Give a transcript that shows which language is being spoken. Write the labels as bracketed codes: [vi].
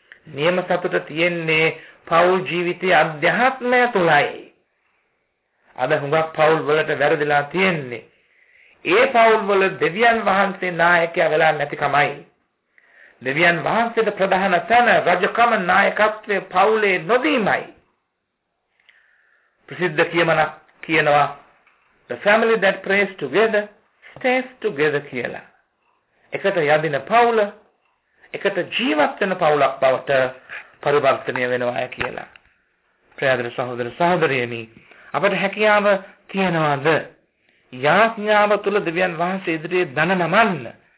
[si] නියම සතුට තියෙන්නේ පවුල් ජීවිතයේ අධ්‍යාත්මය තුළයි. අද හුඟක් පවුල් වලට වැරදිලා තියෙන්නේ ඒ පවුල් වල දෙවියන් වහන්සේ නායකයා වෙලා නැතිකමයි. දෙවියන් වහන්සේට ප්‍රධාන තැන රජකම නායකත්වයේ පවුලේ නොදීමයි. ප්‍රසිද්ධ කියමනක් කියනවා, [en] "The family that prays together stays together" [si] කියලා. එකට යදින පවුල එකට ජීවත් වෙන පවුලක් බවට පරිවර්තනය වෙනවා කියලා. ප්‍රියදර සහෝදර සහෝදරියනි, අපට හැකියාව තියනවාද යාඥාව තුල දෙවියන් වහන්සේ ඉදිරියේ දන නමන්න?